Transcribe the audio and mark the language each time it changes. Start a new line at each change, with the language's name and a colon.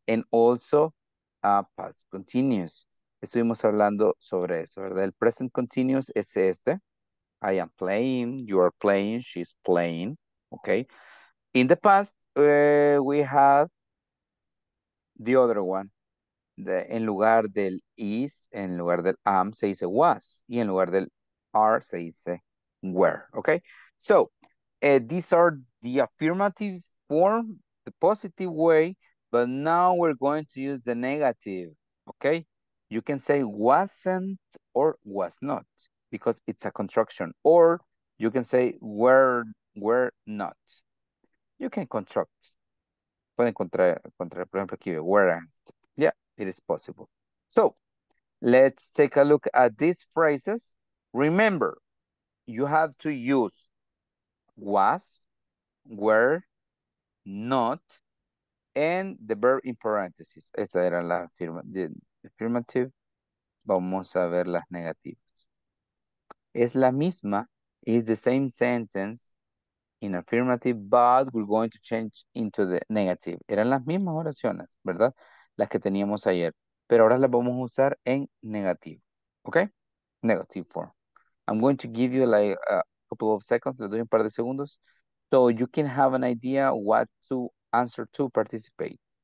English: And also past continuous.
Spanish: Estuvimos hablando sobre eso, ¿verdad? El present continuous es este.
English: I am playing, you are playing, she's playing, okay? In the past, we had the other one.
Spanish: En lugar del is, en lugar del am, se dice was. Y en lugar del are, se dice were, okay?
English: So, these are the affirmative form, the positive way, but now we're going to use the negative, okay? You can say wasn't or was not, because it's a contraction. Or you can say were not. You can construct.
Spanish: Pueden contraer, por ejemplo, aquí, weren't.
English: Yeah, it is possible. So, let's take a look at these phrases. Remember, you have to use was, were, not, and the verb in parentheses.
Spanish: Esta era la affirmative. Vamos a ver las negativas. Es la misma,
English: is the same sentence in affirmative, but we're going to change into the negative.
Spanish: Eran las mismas oraciones, ¿verdad? Las que teníamos ayer. Pero ahora las vamos a usar en negativo.
English: ¿Okay? Negative form. I'm going to give you like a couple of seconds.
Spanish: Le doy un par de segundos.
English: So you can have an idea what to answer to participate.